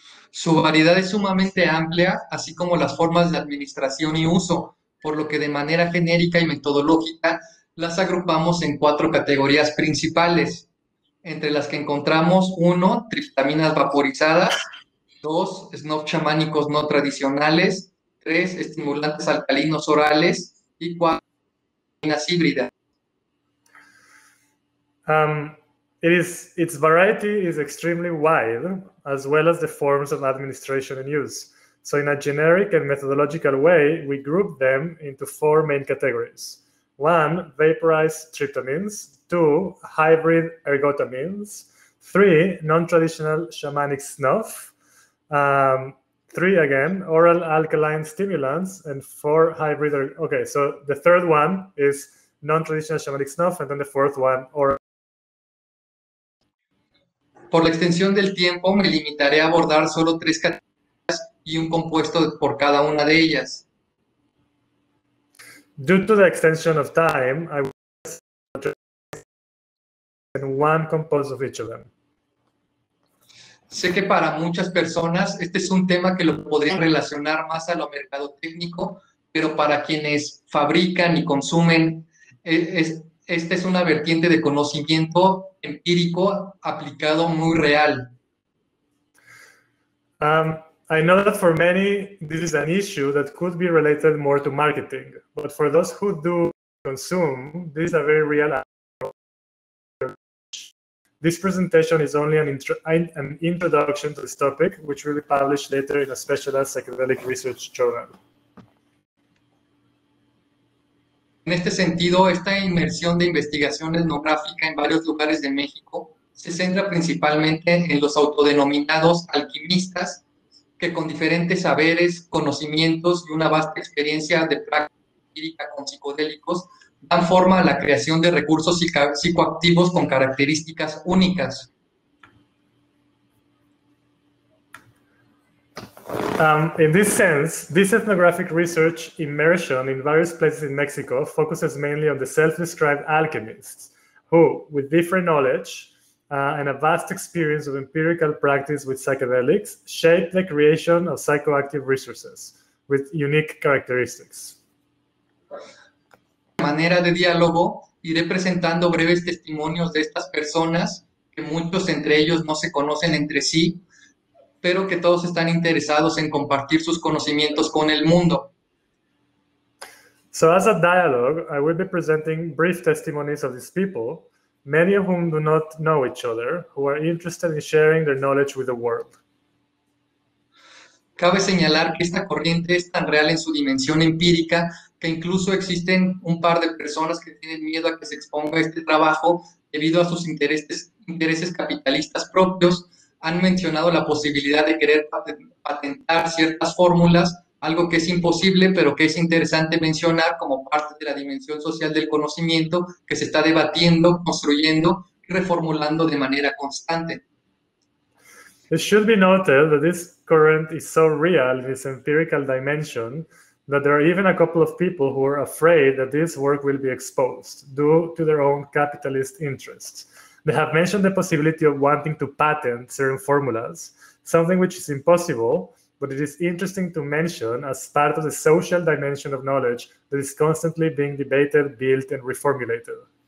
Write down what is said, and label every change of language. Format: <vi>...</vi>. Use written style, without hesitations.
<es>Su variedad es sumamente amplia, así como las formas de administración y uso, por lo que de manera genérica y metodológica las agrupamos en cuatro categorías principales, entre las que encontramos 1, triptaminas vaporizadas, 2, snuff chamánicos no tradicionales, 3, estimulantes alcalinos orales y 4, triptaminas híbridas.</es> <en>Its variety is extremely wide, as well as the forms of administration and use. So in a generic and methodological way, we group them into 4 main categories. 1, vaporized tryptamines. 2, hybrid ergotamines. 3, non-traditional shamanic snuff. 3, again, oral alkaline stimulants. And 4, hybrid. Okay, so the third one is non-traditional shamanic snuff, and then the fourth one, oral.</en> <es>Por la extensión del tiempo, me limitaré a abordar solo 3 categorías y un compuesto por cada una de ellas.</es> <en>Due to the extension of time, I will address one compost of each of them.</en> <es>Sé que para muchas personas este es un tema que lo podría relacionar más a lo mercado técnico, pero para quienes fabrican y consumen, esta es una vertiente de conocimiento empírico aplicado muy real.</es> <en>I know that for many this is an issue that could be related more to marketing, but for those who do consume, this is a very real approach. This presentation is only an introduction to this topic, which will be published later in a specialized psychedelic research journal.</en> <es>En este sentido, esta inmersión de investigación etnográfica en varios lugares de México se centra principalmente en los autodenominados alquimistas que con diferentes saberes, conocimientos y una vasta experiencia de práctica empírica con psicodélicos dan forma a la creación de recursos psicoactivos con características únicas.</es> <en>In this sense, this ethnographic research immersion in various places in Mexico focuses mainly on the self-described alchemists who, with different knowledge and a vast experience of empirical practice with psychedelics, shape the creation of psychoactive resources with unique characteristics.</en> <es>De manera de diálogo, iré presentando breves testimonios de estas personas que muchos entre ellos no se conocen entre sí, pero que todos están interesados en compartir sus conocimientos con el mundo.</es> <en>So as a dialogue, I will be presenting brief testimonies of these people, many of whom do not know each other, who are interested in sharing their knowledge with the world.</en> <es>Cabe señalar que esta corriente es tan real en su dimensión empírica que incluso existen un par de personas que tienen miedo a que se exponga este trabajo debido a sus intereses capitalistas propios. Han mencionado la posibilidad de querer patentar ciertas fórmulas, algo que es imposible, pero que es interesante mencionar como parte de la dimensión social del conocimiento que se está debatiendo, construyendo y reformulando de manera constante.</es> <en>It should be noted that this current is so real in its empirical dimension that there are even a couple of people who are afraid that this work will be exposed due to their own capitalist interests. They have mentioned the possibility of wanting to patent certain formulas, something which is impossible, but it is interesting to mention as part of the social dimension of knowledge that is constantly being debated, built, and reformulated.</en>